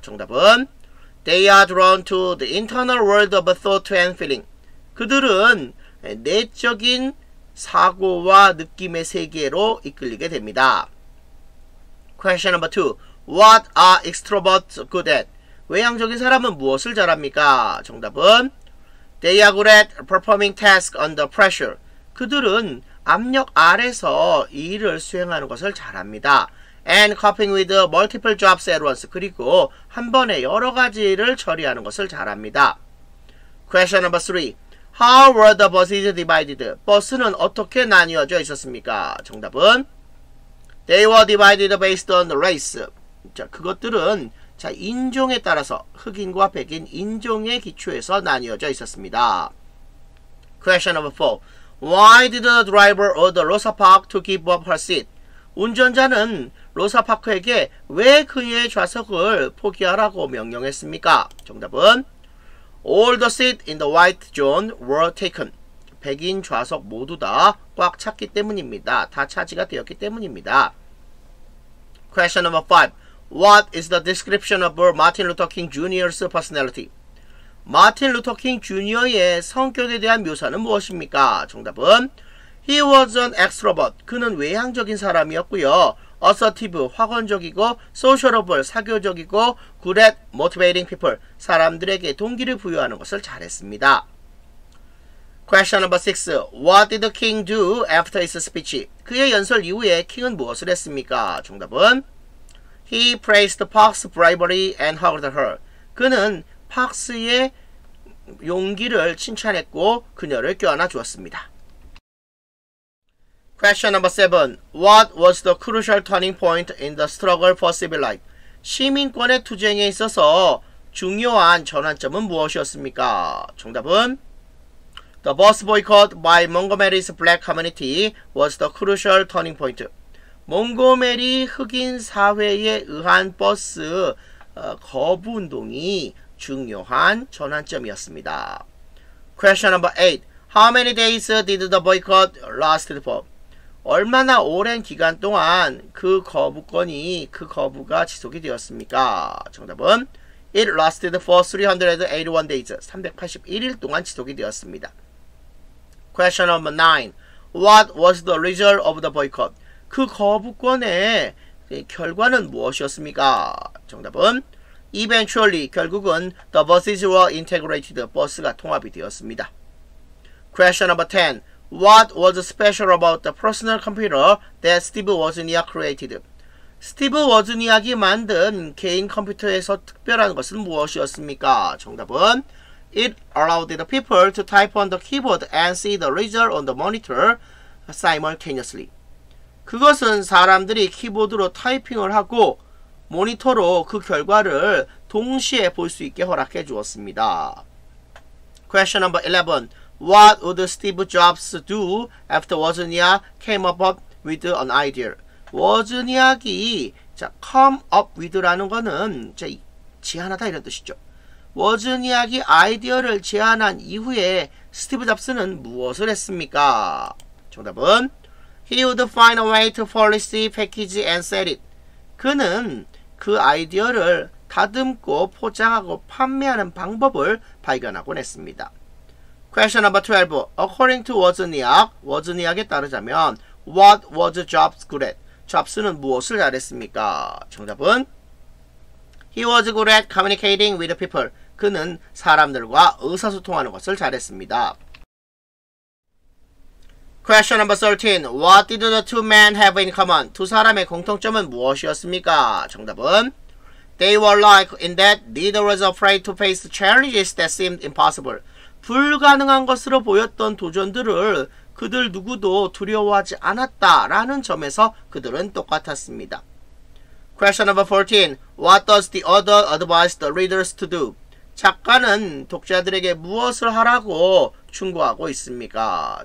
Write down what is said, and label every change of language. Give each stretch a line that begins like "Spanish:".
Korean: 정답은
English: They are drawn to the internal world of thought and feeling.
Korean: 그들은 내적인 사고와 느낌의 세계로 이끌리게 됩니다.
English: Question number 2. What are extroverts good at?
Korean: 외향적인 사람은 무엇을 잘합니까? 정답은
English: They are good at performing tasks under pressure.
Korean: 그들은 압력 아래서 일을 수행하는 것을 잘합니다.
English: And coping with multiple jobs at once.
Korean: 그리고 한 번에 여러 가지를 처리하는 것을 잘합니다.
English: Question number 3. How were the buses divided?
Korean: 버스는 어떻게 나뉘어져 있었습니까? 정답은
English: They were divided based on race.
Korean: 자, 그것들은 자, 인종에 따라서 흑인과 백인 인종의 기초에서 나뉘어져 있었습니다.
English: Question number 4. Why did the driver order Rosa Parks to give up her seat?
Korean: 운전자는 로사 파크에게 왜 그의 좌석을 포기하라고 명령했습니까? 정답은
English: All the seats in the white zone were taken.
Korean: 백인 좌석 모두 다 꽉 찼기 때문입니다. 다 차지가 되었기 때문입니다.
English: Question number 5. What is the description of Martin Luther King Jr.'s personality?
Korean: Martin Luther King Jr.의 성격에 대한 묘사는 무엇입니까? 정답은
English: He was an extrovert.
Korean: 그는 외향적인 사람이었고요.
English: Assertive,
Korean: 확언적이고,
English: sociable,
Korean: 사교적이고,
English: good at motivating people.
Korean: 사람들에게 동기를 부여하는 것을 잘했습니다.
English: Question number 6. What did King do after his speech?
Korean: 그의 연설 이후에 King은 무엇을 했습니까? 정답은
English: He praised Parks' bravery and hugged her.
Korean: 그는 Parks의 용기를 칭찬했고 그녀를 껴안아 주었습니다.
English: Question number 7. What was the crucial turning point in the struggle for civil life?
Korean: 시민권의 투쟁에 있어서 중요한 전환점은 무엇이었습니까? 정답은
English: The bus boycott by Montgomery's black community was the crucial turning point.
Korean: 몽고메리 흑인 사회에 의한 버스 거부 운동이 중요한 전환점이었습니다.
English: Question number 8. How many days did the boycott last for?
Korean: 얼마나 오랜 기간 동안 그 거부가 지속이 되었습니까? 정답은
English: It lasted for 381 days.
Korean: 381일 동안 지속이 되었습니다.
English: Question number 9. What was the result of the boycott?
Korean: 그 거부권의 그 결과는 무엇이었습니까? 정답은
English: Eventually
Korean: 결국은
English: The buses were integrated.
Korean: 버스가 통합이 되었습니다.
English: Question number 10. What was special about the personal computer that Steve Wozniak created?
Korean: 스티브 워즈니악이 만든 개인 컴퓨터에서 특별한 것은 무엇이었습니까? 정답은
English: It allowed the people to type on the keyboard and see the result on the monitor simultaneously.
Korean: 그것은 사람들이 키보드로 타이핑을 하고 모니터로 그 결과를 동시에 볼 수 있게 허락해 주었습니다.
English: Question number 11. What would Steve Jobs do after Wozniak came up with an idea?
Korean: 워즈니악이
English: come up with
Korean: 라는 거는 제안하다 이런 뜻이죠. 워즈니악이 아이디어를 제안한 이후에 스티브 잡스는 무엇을 했습니까? 정답은
English: He would find a way to policy package and sell it.
Korean: 그는 그 아이디어를 다듬고 포장하고 판매하는 방법을 발견하곤 했습니다.
English: Question number 12. According to Wozniak,
Korean: 워즈니악에 따르자면
English: What was Jobs good at?
Korean: 잡스는 무엇을 잘했습니까? 정답은
English: He was good at communicating with people.
Korean: 그는 사람들과 의사소통하는 것을 잘했습니다.
English: Question number 13. What did the two men have in common?
Korean: 두 사람의 공통점은 무엇이었습니까? 정답은
English: They were like in that neither was afraid to face challenges that seemed impossible.
Korean: 불가능한 것으로 보였던 도전들을 그들 누구도 두려워하지 않았다라는 점에서 그들은 똑같았습니다.
English: Question number 14. What does the author advise the readers to do?
Korean: 작가는 독자들에게 무엇을 하라고 충고하고 있습니까?